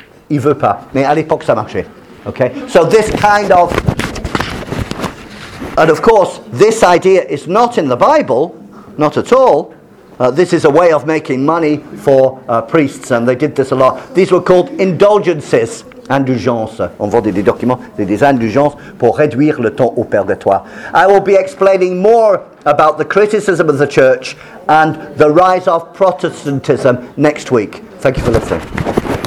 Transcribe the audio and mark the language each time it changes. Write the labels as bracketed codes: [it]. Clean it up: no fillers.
[fr] Il veut pas. Mais à l'époque, ça marchait. [en] Okay? So this kind of... And of course, this idea is not in the Bible, not at all. This is a way of making money for priests, and they did this a lot. These were called indulgences, indulgences. [fr] On vendait des documents, des indulgences pour réduire le temps au purgatoire. [en] I will be explaining more about the criticism of the church and the rise of Protestantism next week. Thank you for listening.